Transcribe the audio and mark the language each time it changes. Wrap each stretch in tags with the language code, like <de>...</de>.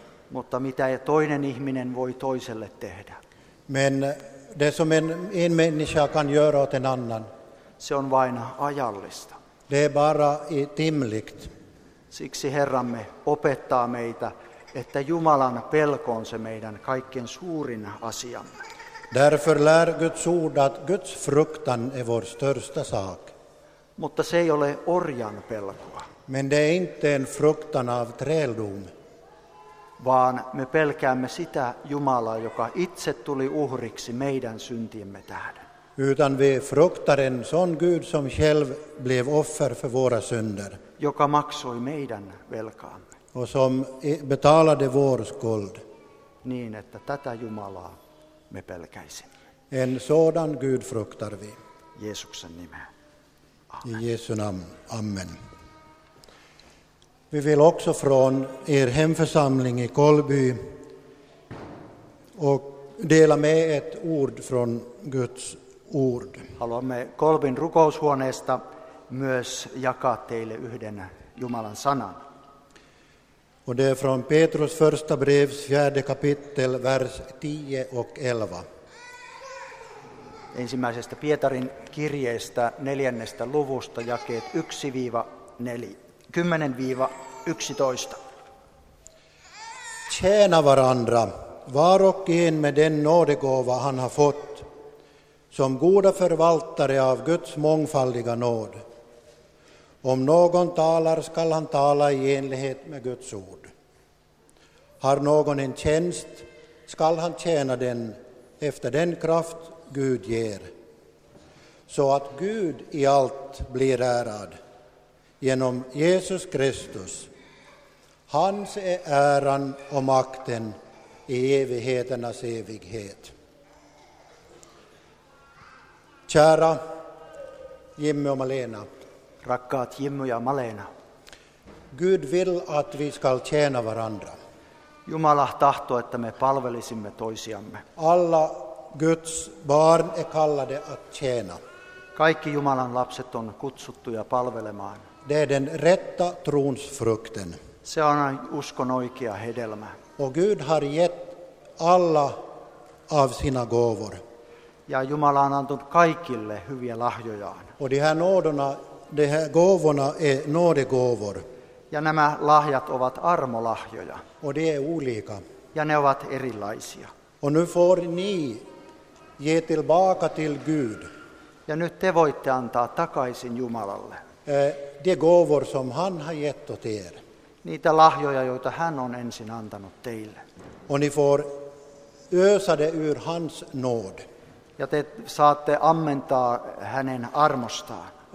<fi>Mutta mitä toinen ihminen voi toiselle tehdä?</fi> <sv>Men det som en människa kan göra åt en annan.</sv> <fi>Se on vain ajallista.</fi> <sv>Det är bara i timligt.</sv> <fi>Siksi Herramme opettaa meitä, että Jumalan pelko on se meidän kaikkein suurin asiamme.</fi> <sv>Därför lär Guds ord att Guds fruktan är vår största sak.</sv> <fi>Mutta se ei ole orjan pelkoa.</fi> <sv>Men det är inte en fruktan av träldom.</sv> <fi>Vaan me pelkäämme sitä Jumalaa, joka itse tuli uhriksi meidän syntiemme tähden.</fi> <sv>Utan vi fruktar en sån Gud som själv blev offer för våra synder.</sv> <fi>Joka maksoi meidän velkaamme.</fi> <sv>Och som betalade vår skuld.</sv> <fi>Niin, että tätä Jumalaa me pelkäisimme.</fi> <sv>En sådan Gud fruktar vi.</sv> <fi>Jeesuksen nimeen.</fi> <sv>I Jesu namn. Amen. Vi vill också från er hemförsamling i Kolby och dela med ett ord från Guds ord.</sv> <fi>Haluamme Kolbin rukoushuoneesta myös jakaa teille yhden Jumalan sanan.</fi> <sv>Och det är från Petrus första brev, 4. kapitel, vers 10 och 11.</sv> <fi>Ensimmäisestä Pietarin kirjeestä 4. luvusta jakeet 10-11.</fi> <sv>Tjäna varandra, var och en med den nådegåva han har fått, som goda förvaltare av Guds mångfaldiga nåd. Om någon talar skall han tala i enlighet med Guds ord. Har någon en tjänst skall han tjäna den efter den kraft Gud ger, så att Gud i allt blir ärad. Genom Jesus Kristus, hans är äran och makten i evigheternas evighet. Kära Jimmy och Malena.</sv> <fi>Rakkaat Jimmy ja Malena.</fi> <sv>Gud vill att vi ska tjäna varandra.</sv> <fi>Jumala tahtoo, että me palvelisimme toisiamme.</fi> <sv>Alla Guds barn är kallade att tjäna.</sv> <fi>Kaikki Jumalan lapset on kutsuttuja palvelemaan.</fi> <sv>Det är den rätta tronsfrukten.</sv> <fi>Se on uskon oikea hedelmä.</fi> <sv>Och Gud har gett alla av sina gåvor.</sv> <fi>Ja Jumala on antanut kaikille hyviä lahjojaan.</fi> <sv>Och de här gåvorna är nådegåvor.</sv> <fi>Ja nämä lahjat ovat armolahjoja.</fi> <sv>Och de är olika.</sv> <fi>Ja ne ovat erilaisia.</fi> <sv>Och nu får ni ge tillbaka till Gud.</sv> <fi>Ja nyt te voitte antaa takaisin Jumalalle.</fi> <sv>De gåvor som han har gett åt er.</sv> <fi>Niitä lahjoja, joita hän on ensin antanut teille.</fi> <sv>Och ni får ösa det ur hans nåd.</sv> <fi>Ja te saatte ammentaa hänen armostaan.</fi>